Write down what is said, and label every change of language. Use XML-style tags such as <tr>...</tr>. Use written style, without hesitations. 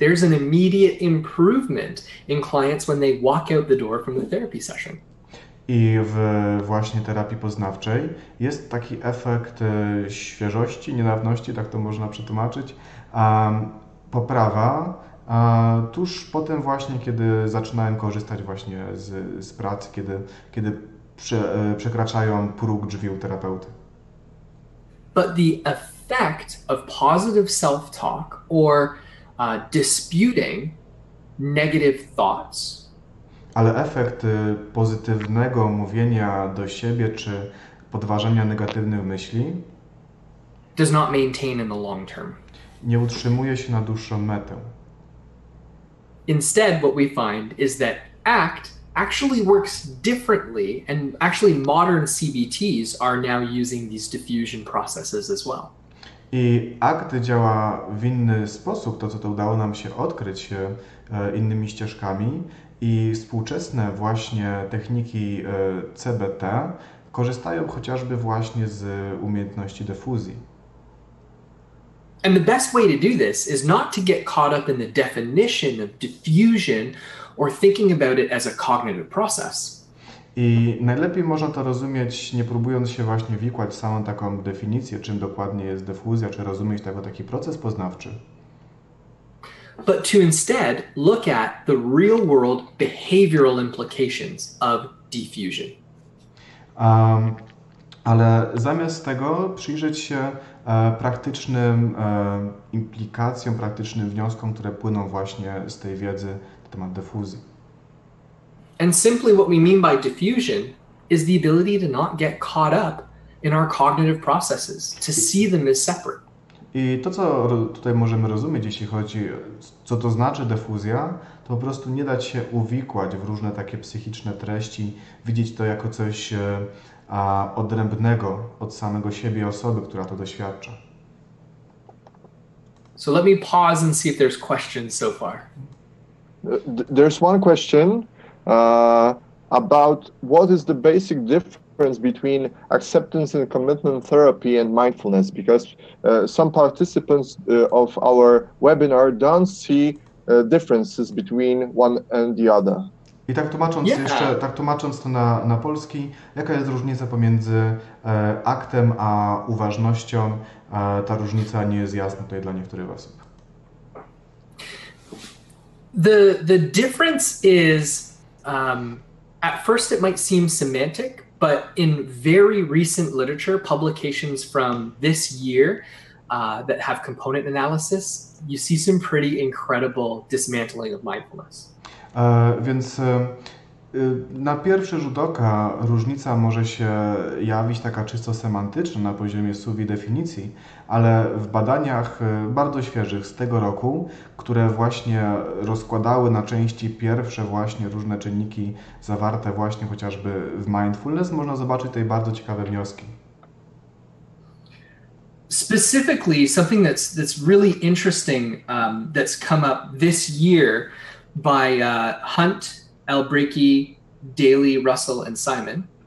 <en>There's an immediate improvement in clients when they walk out the door from the therapy session.</en> <pl>I w właśnie terapii poznawczej jest taki efekt świeżości, niedawności, tak to można przetłumaczyć, poprawa tuż po tym właśnie, kiedy zaczynałem korzystać właśnie z pracy, kiedy przekraczają próg drzwi u terapeuty.</pl> <en>But the effect of positive self-talk or disputing negative thoughts.</en> <pl>Ale efekt pozytywnego mówienia do siebie czy podważania negatywnych myśli</pl> <en>does not maintain in the long term.</en> <pl>Nie utrzymuje się na dłuższą metę.</pl> <en>Instead, what we find is that ACT actually works differently, and actually modern CBTs are now using these diffusion processes as well.</en> <pl>I ACT działa w inny sposób, to co to udało nam się odkryć innymi ścieżkami. I współczesne właśnie techniki CBT korzystają chociażby właśnie z umiejętności dyfuzji.</pl> <en>And the best way to do this is not to get caught up in the definition of diffusion or thinking about it as a cognitive process.</en> <pl>I najlepiej można to rozumieć, nie próbując się właśnie wikłać w samą taką definicję, czym dokładnie jest dyfuzja, czy rozumieć tego taki proces poznawczy.</pl> <en>But to instead look at the real world behavioral implications of diffusion.</en> <pl>Ale zamiast tego przyjrzeć się praktycznym implikacjom, praktycznym wnioskom, które płyną właśnie z tej wiedzy na temat dyfuzji.</pl> <en>And simply what we mean by diffusion is the ability to not get caught up in our cognitive processes, to see them as separate.</en> <pl>I to, co tutaj możemy rozumieć, jeśli chodzi, co to znaczy dyfuzja, to po prostu nie dać się uwikłać w różne takie psychiczne treści, widzieć to jako coś odrębnego od samego siebie osoby, która to doświadcza.</pl> <en>So let me pause and see if there's questions so far. There's one question. About what is the basic difference between acceptance and commitment therapy and mindfulness, because some participants of our webinar don't see differences between one and the other.</en> <pl>I tak tłumacząc jeszcze, tak tłumacząc to na polski, jaka jest różnica pomiędzy aktem a uważnością? Ta różnica nie jest jasna tutaj dla niektórych osób.</pl> <en>The difference is at first it might seem semantic, but in very recent literature, publications from this year that have component analysis, you see some pretty incredible dismantling of mindfulness.</en> <pl>Więc na pierwszy rzut oka różnica może się jawić taka czysto semantyczna na poziomie słów i definicji, ale w badaniach bardzo świeżych z tego roku, które właśnie rozkładały na części pierwsze właśnie różne czynniki zawarte właśnie chociażby w mindfulness, można zobaczyć tutaj bardzo ciekawe wnioski.</pl> <en>Specifically, something that's really interesting that's come up this year by Hunt, Albrecht, Daly, Russell and Simon.</en>